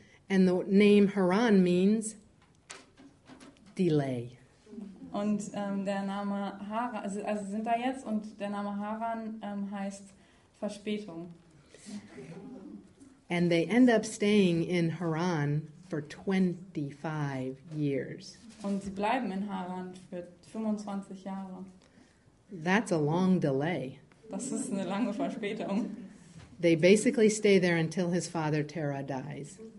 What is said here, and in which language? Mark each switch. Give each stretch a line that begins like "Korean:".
English: And the name Haran means delay.
German: Und der Name Haran, also sind da jetzt, und der Name Haran heißt Verspätung.
English: And they end up staying in Haran for 25 years.
German: Und sie bleiben in Haran für 25 Jahre.
English: That's a long delay.
German: Das ist eine lange Verspätung.
English: They basically stay there until his father Terah dies.